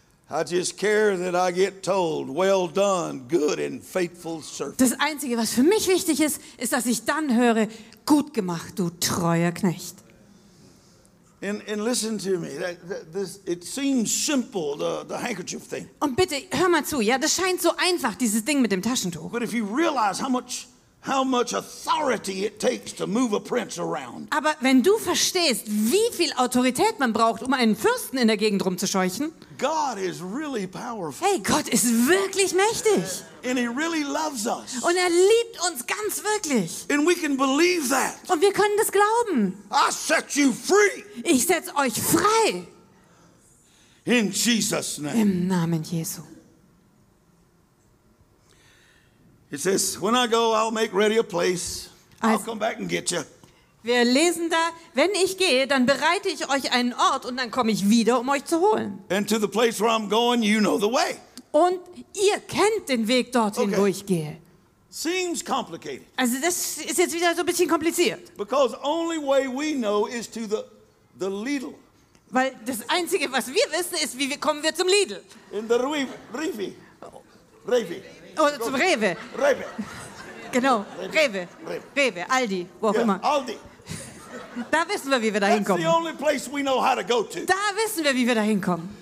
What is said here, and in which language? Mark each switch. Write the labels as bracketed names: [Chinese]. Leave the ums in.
[English] I just care that I get told, well done, good and faithful service. [German] Das einzige, was für mich wichtig ist, ist, dass ich dann höre, gut gemacht, du treuer Knecht. [English] And, and listen to me. That, that, this, it seems simple, the, the handkerchief thing. [German] Und bitte, hör mal zu, ja, das scheint so einfach, dieses Ding mit dem Taschentuch. [English] But if you realize how much [German] Aber wenn du verstehst, wie viel Autorität man braucht, um einen Fürsten in der Gegend rumzuscheuchen. [English] God is really powerful. [German] Hey, Gott ist wirklich mächtig. [English] And he really loves us. [German] Und er liebt uns ganz wirklich. [English] And we can believe that. [German] Und wir können das glauben. [English] I set you free. [German] Ich setze euch frei. [English] In Jesus name. [German] Im Namen Jesu. [English] It says, when I go, I'll make ready a place. I'll come back and get you. [German] Wir lesen da, wenn ich gehe, dann bereite ich euch einen Ort und dann komme ich wieder, um euch zu holen. [English] And to the place where I'm going, you know the way. And [German] ihr kennt den Weg dorthin, okay. wo ich gehe. Seems [English] complicated. [German] Also das ist jetzt wieder so ein bisschen kompliziert. [English] Because only way we know is to the the Lidl. [German] Weil das einzige, was wir wissen, ist, wie wir kommen wir zum Lidl. [English] In the Rivi. [German] Rivi. Oh. Rewe. Oh, zum Rewe. Rewe. Genau, Rewe. Rewe, Aldi, wo auch yeah, immer. Aldi. Da wissen wir, wie wir da hinkommen. Da wissen wir, wie wir da hinkommen.